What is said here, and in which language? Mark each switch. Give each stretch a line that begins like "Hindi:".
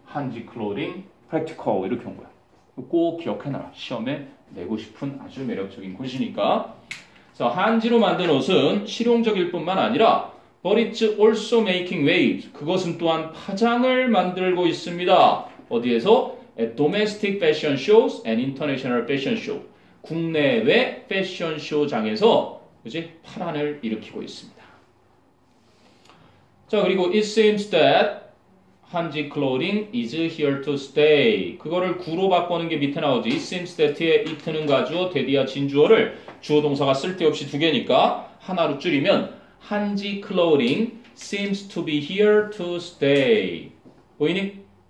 English: Hanji clothing practical
Korean: 이렇게 온 거야. 꼭 기억해놔라. 시험에 내고 싶은 아주 매력적인 곳이니까. 그래서 한지로 만든 옷은 실용적일 뿐만 아니라
English: but it's also making waves.
Korean: 그것은 또한 파장을 만들고 있습니다. 어디에서?
English: At domestic fashion shows and international fashion show.
Korean: 국내외 패션 쇼장에서 이제 파란을 일으키고 있습니다. 자, 그리고
English: it seems that Hanji clothing is here to stay.
Korean: 그거를 구로 바꾸는 게 밑에 나오지.
English: It seems that
Korean: 의 it는 가주어, that이야 진주어를 주어 동사가 쓸데없이 두 개니까 하나로 줄이면
English: Hanji clothing seems to be here to stay.
Korean: 보이니?